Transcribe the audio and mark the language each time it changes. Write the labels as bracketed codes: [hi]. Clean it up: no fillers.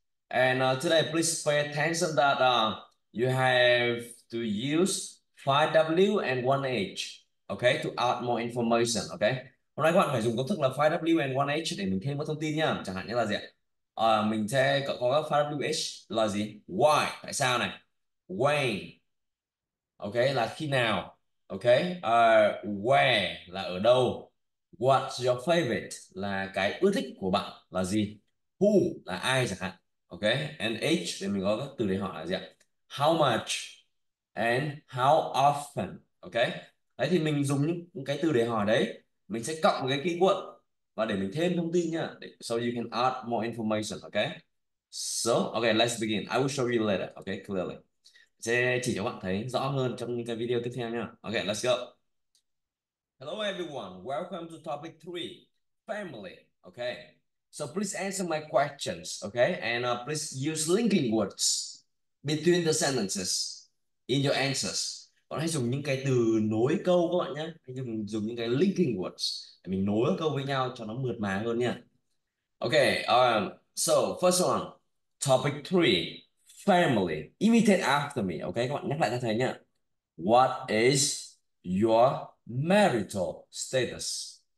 [en] And today, please pay attention that you have to use 5W and 1H. Okay, to add more information. Okay. [vi] Hôm nay các bạn phải dùng công thức là 5W and 1H để mình thêm các thông tin nhá. Chẳng hạn như là gì ạ? Mình sẽ có các 5WH là gì? [en] Why? [vi] Tại sao này? [en] When? [vi] Okay, là khi nào? Okay. [en] Where? [vi] Là ở đâu? [en] What's your favorite [vi] là cái ưa thích của bạn là gì? Who là ai chẳng hạn. Ok, and age thì mình có các từ để hỏi là gì ạ? [en] How much and how often. [vi] Ok, đấy thì mình dùng những cái từ để hỏi đấy, mình sẽ cộng cái keyword và để mình thêm thông tin nha. [en] So you can add more information. Ok, so ok, let's begin. I will show you later. Ok, clearly. [vi] Sẽ chỉ cho bạn thấy rõ hơn trong những cái video tiếp theo nha. [en] Ok, let's go. Hello everyone, welcome to topic 3, family. Okay, so please answer my questions. Okay, and please use linking words between the sentences in your answers. [vi] Bạn hãy dùng những cái từ nối câu các bạn nhé. Hãy dùng những cái linking words để mình nối câu với nhau cho nó mượt mà hơn nha. [en] Okay, so first one, topic 3, family. Imitate after me. [vi] Okay, các bạn nhắc lại cho thầy nhé. [en] What is your marital status?